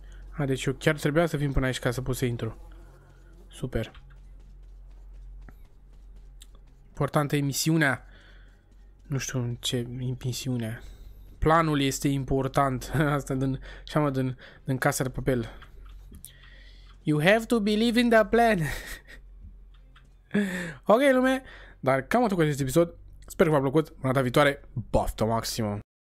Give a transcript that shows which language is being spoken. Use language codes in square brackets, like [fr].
[ro] A, deci eu chiar trebuia să vin până aici ca să pot să intru. Super. Importantă e misiunea. Nu știu ce misiunea. Planul este important. Asta din, așa mă, din casă de papel. [en] You have to believe in the plan. [ro] Ok, lume. Dar cam atât cu acest episod. Sper că v-a plăcut. Până data viitoare, baftă maximă!